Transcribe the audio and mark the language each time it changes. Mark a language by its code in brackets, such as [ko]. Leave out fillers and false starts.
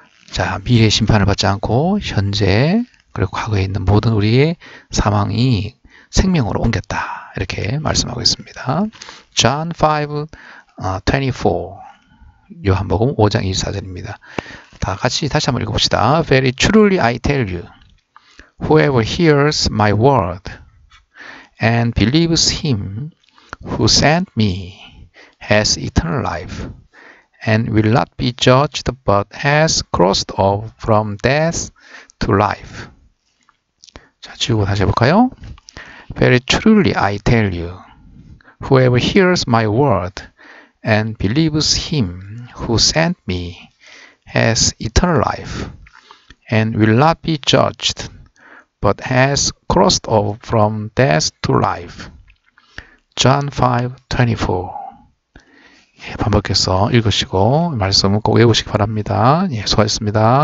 [ko] 자, 미래의 심판을 받지 않고 현재 그리고 과거에 있는 모든 우리의 사망이 생명으로 옮겼다. 이렇게 말씀하고 있습니다. [en] John 5, 24. [ko] 요한복음 5장 24절입니다. 다 같이 다시 한번 읽어봅시다. [en] Very truly I tell you, whoever hears my word and believes him who sent me has eternal life and will not be judged but has crossed over from death to life. [ko] 자, 지우고 다시 해볼까요? [en] Very truly I tell you, whoever hears my word and believes him who sent me has eternal life and will not be judged but has crossed over from death to life. John 5:24. [ko] 예, 반복해서 읽으시고 말씀 꼭 외우시기 바랍니다. 예, 수고하셨습니다.